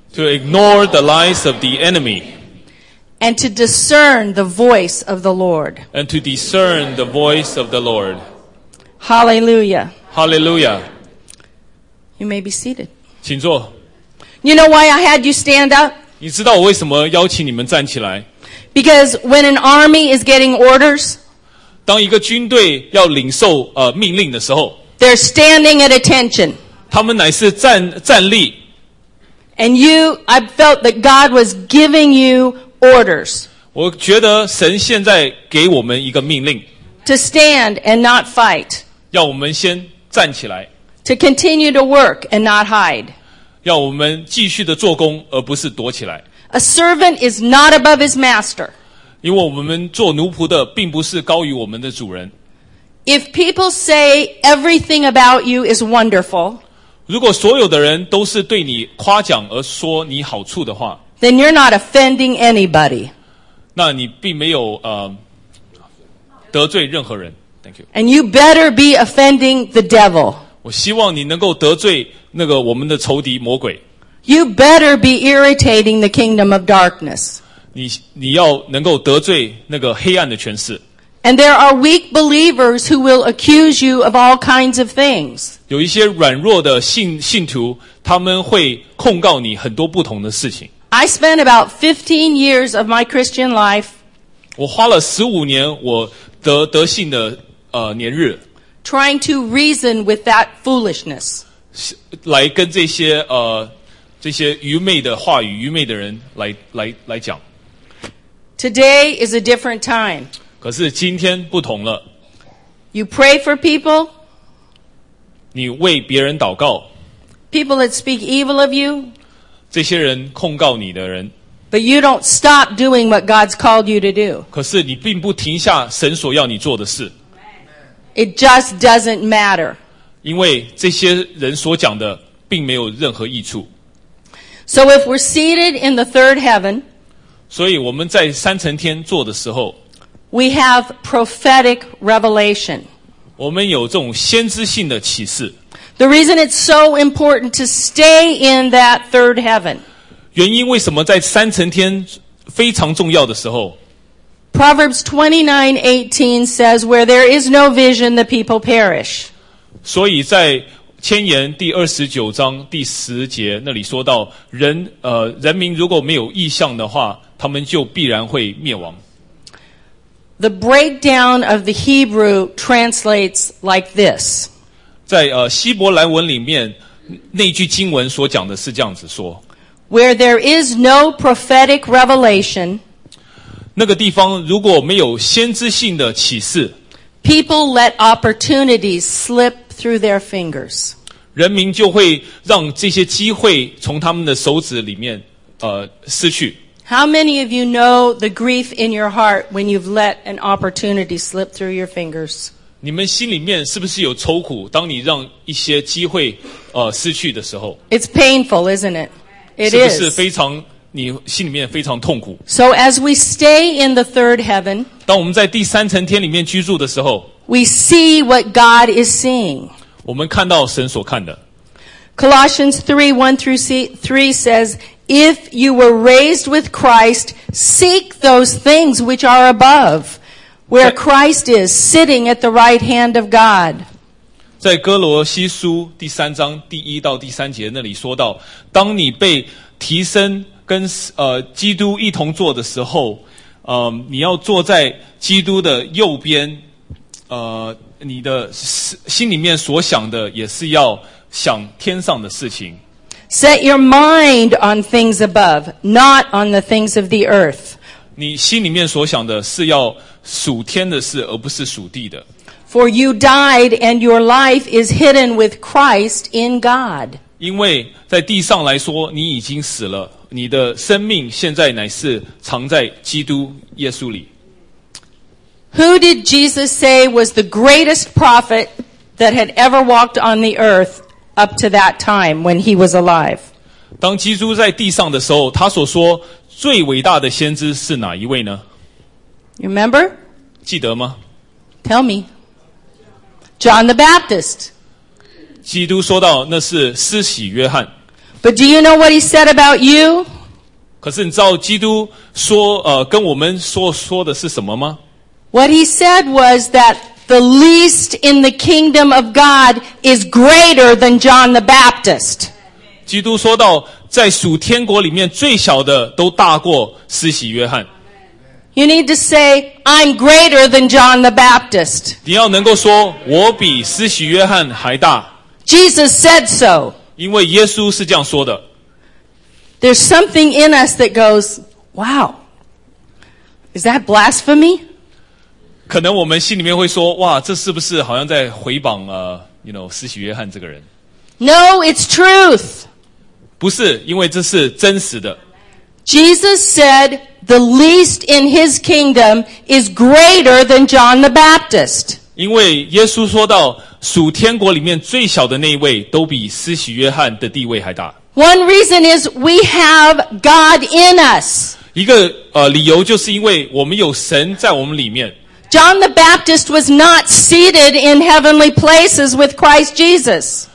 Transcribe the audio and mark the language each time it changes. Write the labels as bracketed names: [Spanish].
[English] To ignore the lies of the enemy. And to discern the voice of the Lord. And to discern the voice of the Lord. Hallelujah. Hallelujah. You may be seated. [Chinese] 请坐。 [English] You know why I had you stand up? [Chinese] 你知道我为什么邀请你们站起来？ [English] Because when an army is getting orders, [Chinese] 当一个军队要领受命令的时候， [English] they're standing at attention. [Chinese] 他们乃是站立。 [English] And you, I felt that God was giving you orders. [Chinese] 我觉得神现在给我们一个命令。 [English] To stand and not fight. [Chinese] 要我们先站起来。 [English] To continue to work and not hide. [Chinese] 要我们继续的做工而不是躲起来。 [English] A servant is not above his master. [Chinese] 因为我们做奴仆的并不是高于我们的主人。 [English] If people say everything about you is wonderful, [Chinese] 如果所有的人都是对你夸奖而说你好处的话, [English] then you're not offending anybody. [Chinese] 那你并没有得罪任何人。 [English] Thank you. And you better be offending the devil. [Chinese] 我希望你能够得罪那个我们的仇敌魔鬼。 [English] You better be irritating the kingdom of darkness. [Chinese] 你要能够得罪那个黑暗的权势。 [English] And there are weak believers who will accuse you of all kinds of things. [Chinese] 有一些软弱的信徒，他们会控告你很多不同的事情。 [English] I spent about 15 years of my Christian life. [Chinese] 我花了15年我得信的年日。 [English] Trying to reason with that foolishness. [Chinese] 来跟这些愚昧的话语，愚昧的人来讲。 [English] Today is a different time. [Chinese] 可是今天不同了。 [English] You pray for people. [Chinese] 你为别人祷告。 [English] People that speak evil of you. [Chinese] 这些人控告你的人。 [English] But you don't stop doing what God's called you to do. [Chinese] 可是你并不停下神所要你做的事。 [English] It just doesn't matter. [Chinese] 因为这些人所讲的并没有任何益处。 [English] So if we're seated in the third heaven, [Chinese] 所以我们在三层天坐的时候, [English] we have prophetic revelation. [Chinese] 我们有这种先知性的启示。 [English] The reason it's so important to stay in that third heaven, [Chinese] 原因为什么在三层天非常重要的时候, [English] Proverbs 29:18 says, where there is no vision, the people perish. [Chinese] 所以在箴言第二十九章第十节那里说到人民如果没有异象的话他们就必然会灭亡。 [English] The breakdown of the Hebrew translates like this. [Chinese] 在希伯来文里面那句经文所讲的是这样子说。 [English] Where there is no prophetic revelation, [Chinese] 那个地方如果没有先知性的启示 [English] people let opportunities slip through their fingers. [Chinese] 人民就会让这些机会从他们的手指里面失去。 [English] How many of you know the grief in your heart when you've let an opportunity slip through your fingers? [Chinese] 你们心里面是不是有愁苦当你让一些机会失去的时候? [English] It's painful, isn't it? It is. [Chinese] 是不是非常你心里面非常痛苦? [English] So as we stay in the third heaven, [Chinese] 当我们在第三层天里面居住的时候, [English] we see what God is seeing. [Chinese] 我们看到神所看的。 [English] Colossians 3:1-3 says, if you were raised with Christ, seek those things which are above, where Christ is, sitting at the right hand of God. [Chinese] 在哥罗西书第三章第一到第三节那里说到，当你被提升跟基督一同坐的时候，你要坐在基督的右边，你的心里面所想的也是要想天上的事情。 [English] Set your mind on things above, not on the things of the earth. [Chinese] 你心里面所想的是要属天的事，而不是属地的。 [English] For you died, and your life is hidden with Christ in God. [Chinese] 因为在地上来说，你已经死了，你的生命现在乃是藏在基督耶稣里。 [English] Who did Jesus say was the greatest prophet that had ever walked on the earth up to that time when he was alive? [Chinese] 当基督在地上的时候，他所说最伟大的先知是哪一位呢？ [English] You remember? [Chinese] 记得吗？ [English] Tell me. John the Baptist. [Chinese] 基督说到那是施洗约翰。 [English] But do you know what he said about you? [Chinese] 可是你知道基督说跟我们说的是什么吗？ [English] What he said was that the least in the kingdom of God is greater than John the Baptist. [Chinese] 基督说到在属天国里面最小的都大过施洗约翰。 [English] You need to say, I'm greater than John the Baptist. [Chinese] 你要能够说我比施洗约翰还大。 [English] Jesus said so. [Chinese] 因为耶稣是这样说的。 [English] There's something in us that goes, wow, is that blasphemy? [Chinese] 可能我们心里面会说，哇，这是不是好像在回谤施洗约翰这个人。 [English] No, it's truth. [Chinese] 不是，因为这是真实的。 [English] Jesus said, the least in his kingdom is greater than John the Baptist. [Chinese] 因为耶稣说到，属天国里面最小的那一位都比施洗约翰的地位还大。 [English] One reason is we have God in us. [Chinese] 一个理由就是因为我们有神在我们里面。 [English] John the Baptist was not seated in heavenly places with Christ Jesus.